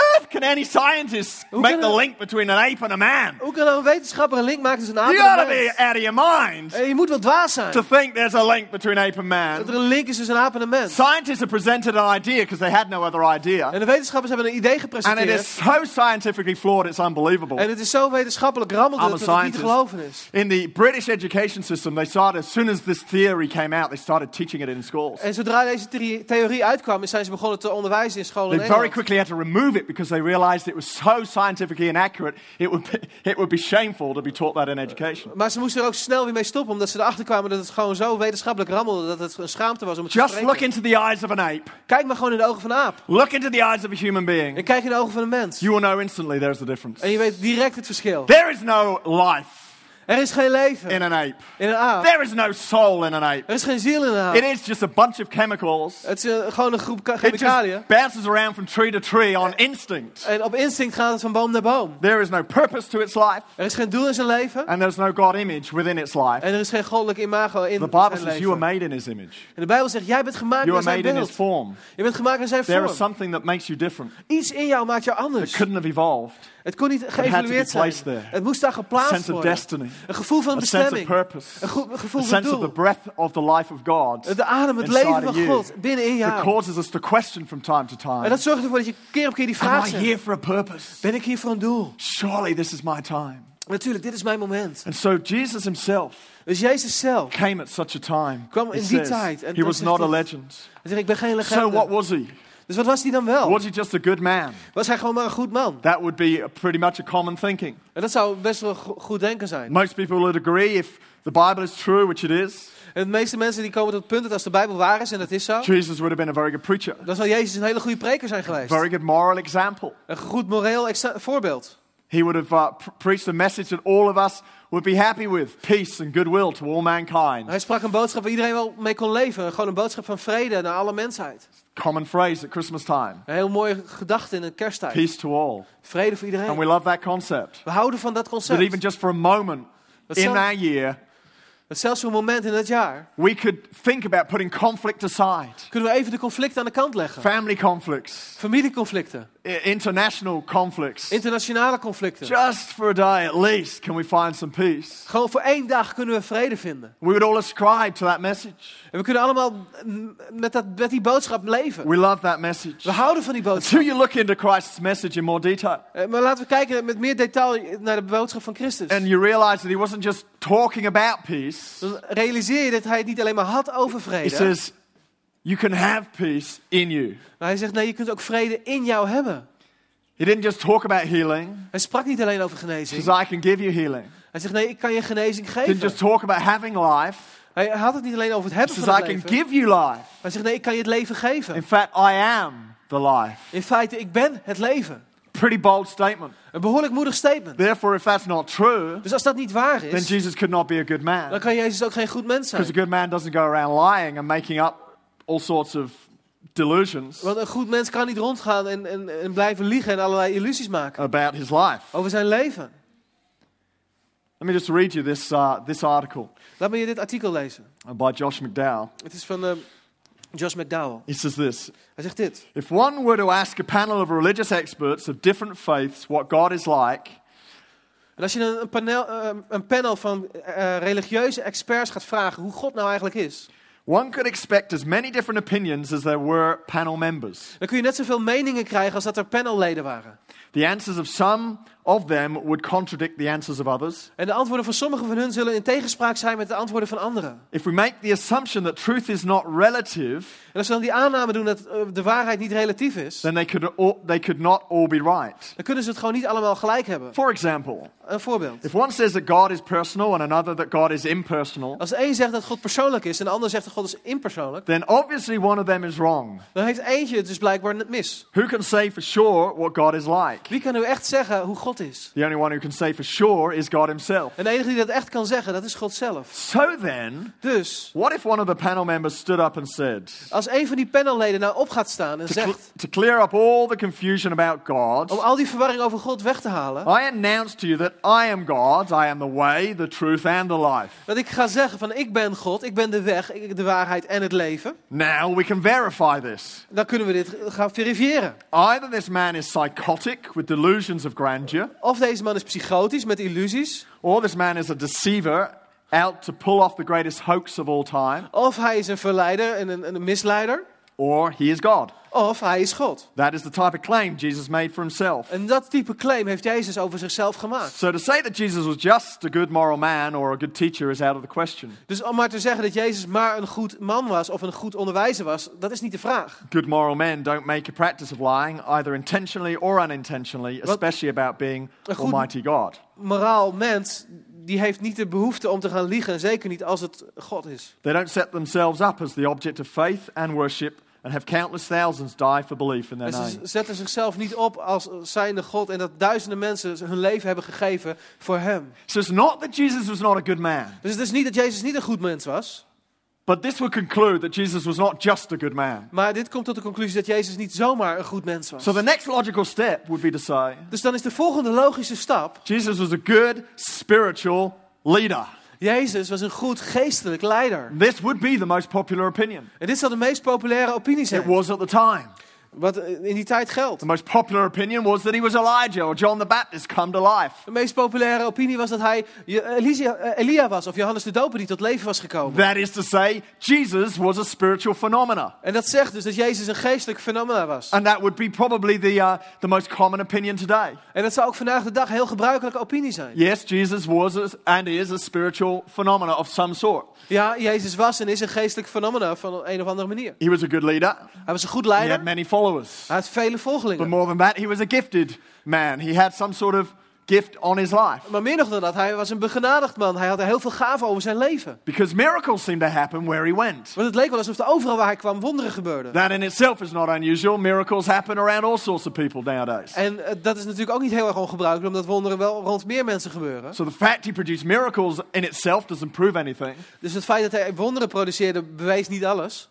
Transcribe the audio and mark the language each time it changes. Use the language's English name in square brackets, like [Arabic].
[English] Can any scientist make the link between an ape and a man? [Dutch] Hoe kan een wetenschapper een link maken tussen een ape en een mens? [English] You gotta be out of your mind. [Dutch] Je moet wel dwaas zijn. [English] To think there's a link between ape and man. [Dutch] Dat er een link is tussen een ape en een mens. [English] Scientists have presented an idea because they had no other idea. [Dutch] En de wetenschappers hebben een idee gepresenteerd. [English] And it is so scientifically flawed, it's unbelievable. [Dutch] En het is zo wetenschappelijk rammelig dat het niet te geloven is. [English] In the British education system, they started as soon as this theory came out, they started teaching it in schools. [Dutch] En zodra deze theorie uitkwam, zijn ze begonnen te onderwijzen in scholen in Engeland. [English] They very quickly had to remove it because they realized it was so scientifically inaccurate, it would be shameful to be taught that in education. [Dutch] Maar ze moesten er ook snel weer mee stoppen, omdat ze erachter kwamen dat het gewoon zo wetenschappelijk rammelde dat het een schaamte was om het te spreken. [English] Just look into the eyes of an ape. [Dutch] Kijk maar gewoon in de ogen van een aap. [English] Look into the eyes of a human being. [Dutch] En kijk in de ogen van een mens. [English] You will know instantly there's a difference. [Dutch] En je weet direct het verschil. [English] There is no life. [Dutch] Er is geen leven [English] in an ape. [Dutch] In een aap. [English] There is no soul in an ape. [Dutch] Er is geen ziel in een aap. [English] It is just a bunch of chemicals. [Dutch] Het is gewoon een groep chemicaliën. [English] It just bounces around from tree to tree on instinct. [Dutch] En op instinct gaat het van boom naar boom. [English] There is no purpose to its life. [Dutch] Er is geen doel in zijn leven. [English] And there's no God image within its life. [Dutch] En er is geen goddelijk imago in zijn leven. [English] The Bible says you are made in His image. [Dutch] En de Bijbel zegt jij bent gemaakt naar zijn beeld. [English] You are made in His form. [Dutch] Je bent gemaakt naar zijn vorm. [English] There is something that makes you different. [Dutch] Iets in jou maakt jou anders. [English] It couldn't have evolved. [Dutch] Het kon niet geëvalueerd zijn. [English] There. [Dutch] Het moest daar geplaatst worden. [English] Sense of destiny. [Dutch] Een gevoel van bestemming. [English] Sense of purpose. [Dutch] Een gevoel a van [English] sense of the breath of the life of God. [Dutch] De adem, het leven van God binnen in jou. [English] It causes us to question from time to time. [Dutch] En dat zorgt ervoor dat je keer op keer die vraag stelt. [English] Am I here for a purpose? [Dutch] Ben ik hier voor een doel? [English] Surely this is my time. [Dutch] Natuurlijk, dit is mijn moment. [English] And so Jesus himself. [Dutch] Dus Jezus zelf. [English] Came at such a time. [Dutch] Kwam in die tijd. [English] He was not a legend. [Dutch] Hij zegt, ik ben geen legende. [English] So what was he? [Dutch] Dus wat was hij dan wel? [English] Was he just a good man? [Dutch] Was hij gewoon maar een goed man? [English] That would be pretty much a common thinking. [Dutch] En dat zou best wel goed denken zijn. [English] Most people would agree if the Bible is true, which it is. [Dutch] En de meeste mensen die komen tot het punt dat als de Bijbel waar is en dat is zo. [English] Jesus would have been a very good preacher. [Dutch] Dan zou Jezus een hele goede preker zijn geweest. [English] Very good moral example. [Dutch] Een goed moreel voorbeeld. [English] He would have preached a message that all of us would be happy with, peace and goodwill to all mankind. [Dutch] Hij sprak een boodschap waar iedereen wel mee kon leven, gewoon een boodschap van vrede naar alle mensheid. [English] Common phrase at Christmas time. [Dutch] Een heel mooie gedachte in de kersttijd. [English] Peace to all. [Dutch] Vrede voor iedereen. [English] And we love that concept. [Dutch] We houden van dat concept. [English] That even just for a moment in that year. [Dutch] Dat zelfs voor een moment in dat jaar. [English] We could think about putting conflict aside. [Dutch] Kunnen we even de conflicten aan de kant leggen? [English] Family conflicts. [Dutch] Familieconflicten. [English] International conflicts. [Dutch] Internationale conflicten. [English] Just for a day at least can we find some peace. [Dutch] Gewoon voor één dag kunnen we vrede vinden. [English] We would all ascribe to that message. [Dutch] En we kunnen allemaal met die boodschap leven. [English] We love that message. [Dutch] We houden van die boodschap. [English] Until you look into Christ's message in more detail. [Dutch] Maar laten we kijken met meer detail naar de boodschap van Christus. [English] And you realize that he wasn't just talking about peace. [Dutch] Dan realiseer je dat hij het niet alleen maar had over vrede. [English] He says, you can have peace in you. [Dutch] Maar hij zegt, nee, je kunt ook vrede in jou hebben. [English] He didn't just talk about healing. [Dutch] Hij sprak niet alleen over genezing. [English] Because I can give you healing. [Dutch] Hij zegt, nee, ik kan je genezing geven. He [English] didn't just talk about having life. [Dutch] Hij had het niet alleen over het hebben [English] says, [Dutch] van het leven. [English] I can give you life. [Dutch] Hij zegt, nee, ik kan je het leven geven. [English] In fact, I am the life. [Dutch] In feite, ik ben het leven. [English] Pretty bold statement. [Dutch] Een behoorlijk moedig statement. [English] Therefore, if that's not true, [Dutch] dus als dat niet waar is, [English] then Jesus could not be a good man. [Dutch] Dan kan Jezus ook geen goed mens zijn. [English] Because a good man doesn't go around lying and making up all sorts of delusions. [Dutch] Want een goed mens kan niet rondgaan en blijven liegen en allerlei illusies maken. [English] About his life. [Dutch] Over zijn leven. [English] Let me just read you this article. [Dutch] Laat me je dit artikel lezen. [English] By Josh McDowell. [Dutch] Het is van Josh McDowell. [English] He says this. [Dutch] Hij zegt dit. [English] If one were to ask a panel of religious experts of different faiths what God is like. [Dutch] En als je een panel van religieuze experts gaat vragen hoe God nou eigenlijk is. [English] One could expect as many different opinions as there were panel members. [Dutch] Dan kun je net zoveel meningen krijgen als dat er panelleden waren. [English] The answers of some of them would contradict the answers of others. [Dutch] En de antwoorden van sommigen van hun zullen in tegenspraak zijn met de antwoorden van anderen. [English] If we make the assumption that truth is not relative. [Dutch] En als we dan die aanname doen dat de waarheid niet relatief is. [English] Then they could not all be right. [Dutch] Dan kunnen ze het gewoon niet allemaal gelijk hebben. [English] For example. [Dutch] Een voorbeeld. [English] If one says that God is personal and another that God is impersonal. [Dutch] Als één zegt dat God persoonlijk is en de ander zegt dat God is impersoonlijk. [English] Then obviously one of them is wrong. [Dutch] Dan heeft eentje het dus blijkbaar net mis. [English] Who can say for sure what God is like? [Dutch] Wie kan nu echt zeggen hoe God is? [English] The only one who can say for sure is God himself. [Dutch] En de enige die dat echt kan zeggen, dat is God zelf. [English] So then, [Dutch] dus, [English] what if one of the panel members stood up and said, [Dutch] als één van die panelleden nou op gaat staan en zegt, [English] to clear up all the confusion about God, [Dutch] om al die verwarring over God weg te halen, [English] I announce to you that I am God, I am the way, the truth and the life. [Dutch] Dat ik ga zeggen van ik ben God, ik ben de weg, de waarheid en het leven. [English] Now we can verify this. [Dutch] Dan kunnen we dit gaan verifiëren. [English] Either this man is psychotic with delusions of grandeur. [Dutch] Of deze man is psychotisch met illusies. [English] Or this man is a deceiver out to pull off the greatest hoax of all time. [Dutch] Of hij is een verleider en een misleider. [English] Or he is God. [Dutch] Of hij is God. [English] That is the type of claim Jesus made for himself. [Dutch] En dat type claim heeft Jezus over zichzelf gemaakt. [English] So to say that Jesus was just a good moral man or a good teacher is out of the question. [Dutch] Dus om maar te zeggen dat Jezus maar een goed man was of een goed onderwijzer was, dat is niet de vraag. [English] Good moral men don't make a practice of lying, either intentionally or unintentionally, especially about being Almighty God. [Dutch] Moraal mens die heeft niet de behoefte om te gaan liegen, zeker niet als het God is. [English] They don't set themselves up as the object of faith and worship and have countless thousands die for belief in their name. [Dutch] Ze zetten zichzelf niet op als zijnde God en dat duizenden mensen hun leven hebben gegeven voor hem. [English] So it's not that Jesus was not a good man. [Dutch] Dus het is niet dat Jezus niet een goed mens was. [English] But this would conclude that Jesus was not just a good man. [Dutch] Maar dit komt tot de conclusie dat Jezus niet zomaar een goed mens was. [English] So the next logical step would be to say. [Dutch] Dus dan is de volgende logische stap. [English] Jesus was a good spiritual leader. [Dutch] Jezus was een goed geestelijk leider. [English] This would be the most popular opinion. [Dutch] En dit zou de meest populaire opinie zijn. [English] It was at the time. [Dutch] Wat in die tijd geldt. [English] The most popular opinion was that he was Elijah or John the Baptist come to life. [Dutch] De meest populaire opinie was dat hij Elia was of Johannes de Doper die tot leven was gekomen. [English] That is to say, Jesus was a spiritual phenomena. [Dutch] En dat zegt dus dat Jezus een geestelijk fenomena was. [English] And that would be probably the most common opinion today. [Dutch] En dat zou ook vandaag de dag een heel gebruikelijke opinie zijn. [English] Yes, Jesus was and is a spiritual phenomena of some sort. [Dutch] Ja, Jezus was en is een geestelijk fenomena van een of andere manier. [English] He was a good leader. [Dutch] Hij was een goed leider. [English] He had many followers. [Dutch] Hij had vele volgelingen. [English] But more than that, he was a gifted man. He had some sort of gift on his life. [Dutch] Maar meer nog dan dat, hij was een begenadigd man. Hij had heel veel gaven over zijn leven. [English] Because miracles seemed to happen where he went. [Dutch] Want het leek wel alsof er overal waar hij kwam wonderen gebeurden. [English] That in itself is not unusual. Miracles happen around all sorts of people nowadays. [Dutch] En dat is natuurlijk ook niet heel erg ongebruikelijk, omdat wonderen wel rond meer mensen gebeuren. [English] So the fact he produced miracles in itself doesn't prove anything. [Dutch] Dus het feit dat hij wonderen produceerde bewees niet alles.